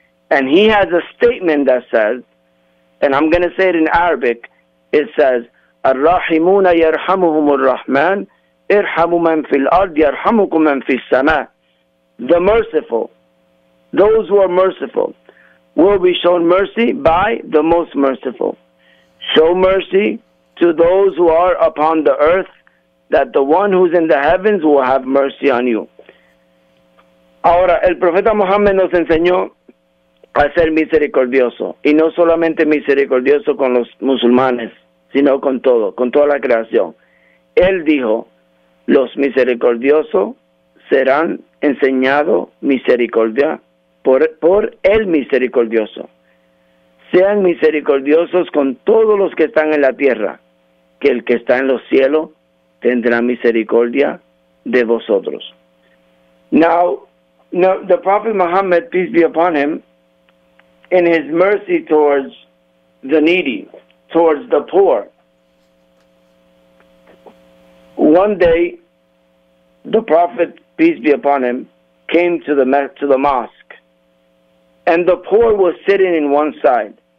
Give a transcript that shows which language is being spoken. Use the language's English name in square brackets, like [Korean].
[English] And he has a statement that says, and I'm going to say it in Arabic, it says, [Arabic] الرحمون يرحمهم الرحمن ارحموا من في الأرض يرحمكم من في السماء. [English] The merciful, those who are merciful, will be shown mercy by the most merciful. Show mercy to those who are upon the earth, that the one who's in the heavens will have mercy on you. [Spanish] Ahora, el profeta Muhammad nos enseñó a ser misericordioso, y no solamente misericordioso con los musulmanes, sino con todo, con toda la creación. Él dijo, los misericordiosos serán enseñados misericordia por el misericordioso. Sean misericordiosos con todos los que están en la tierra, que el que está en los cielos tendrá misericordia de vosotros. [English] Now, the Prophet Muhammad, peace be upon him, in his mercy towards the needy, towards the poor, one day, the Prophet, peace be upon him, came to the mosque, and the poor was sitting in one side.